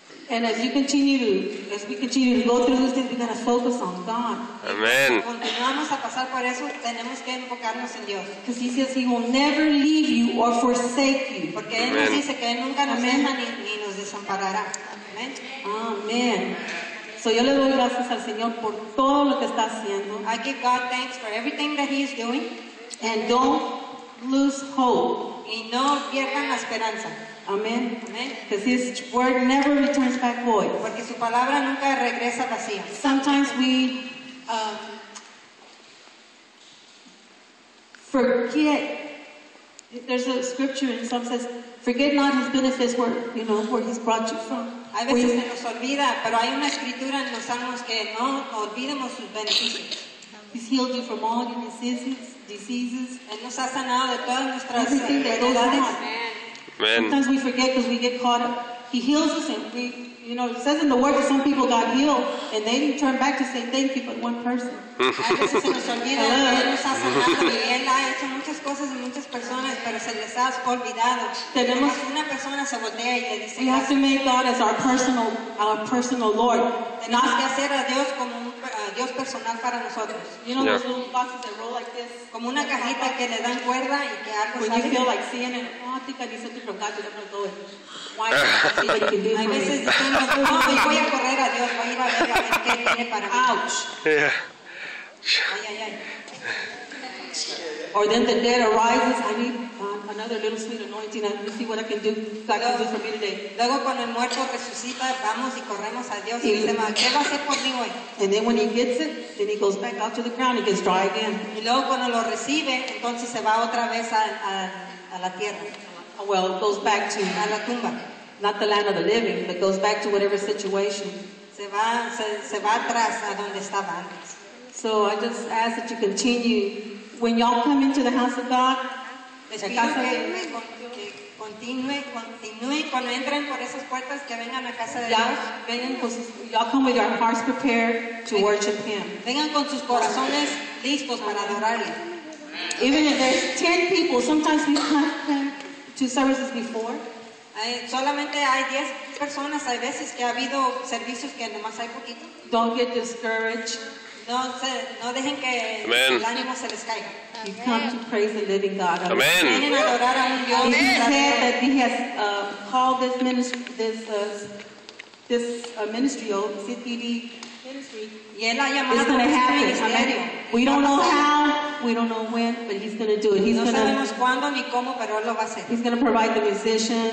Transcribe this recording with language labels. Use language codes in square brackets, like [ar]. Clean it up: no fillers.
[en] And as you continue to, as we continue to go through this thing, we gotta focus on God. Amen. [es] Continuamos a pasar por eso, tenemos que enfocarnos en Dios. [en] Because He says He will never leave you or forsake you. [es] Porque Él nos dice que Él nunca nos deja ni nos desamparará. [en] Amen. Amen. [es] So yo le doy gracias al Señor por todo lo que está haciendo. [en] I give God thanks for everything that He is doing. And don't lose hope. [es] Y no pierdan la esperanza. [en] Amen. Because His word never returns back void. [es] Porque su palabra nunca regresa vacía. [en] Sometimes we forget. There's a scripture and some says, forget not His benefits, where, you know, where He's brought you from. [es] A veces se nos olvida, pero hay una escritura en los salmos que no olvidemos sus beneficios. [en] He's healed you from all your diseases. [es] Él nos ha sanado de todas nuestras enfermedades. [en] Amen. Sometimes we forget because we get caught up. He heals us, and we, you know, it says in the Word that some people got healed, and they didn't turn back to say thank you, but one person. We have to make God as our personal Lord. [es] Tenemos que hacer a Dios como un Dios personal para nosotros. [en] You know, those little boxes that roll like this. [es] Como una cajita que le dan cuerda y que algo sale. [en] When you feel like seeing it, oh, I think I need something from God, you don't know it. Why? [es] A veces decimos, no, voy a correr a Dios, voy a ir a ver qué viene para mí. [en] Ouch. Yeah. Ay, ay, ay. Or then the dead arises. I need another little sweet anointing. Let me see what I can do. God can do for me today. [es] Luego cuando el muerto resucita, vamos y corremos a Dios. Y dice, ¿qué va a hacer por mí hoy? [en] And then when he gets it, then he goes back out to the ground. He gets dry again. [es] Y luego cuando lo recibe, entonces se va otra vez a la tierra. [en] Well, it goes back to [es] a la tumba. [en] Not the land of the living, but goes back to whatever situation. [es] Se va atrás a donde estaba antes. [en] So I just ask that you continue. When y'all come into the house of God, y'all come with your hearts prepared to worship Him. [es] Vengan con sus corazones listos para adorarle. [en] Even if there's 10 people, sometimes we've come to services before. [es] Solamente hay 10 personas, hay veces que ha habido servicios que nomás hay poquito. [en] Don't get discouraged. [es] No dejen que el ánimo se les caiga. [en] You come to praise the living God. Amen. He said that He has called this ministry, CTD ministry. It's going to happen. Amen. We don't know how, we don't know when, but He's going to do it. He's going to provide the musicians.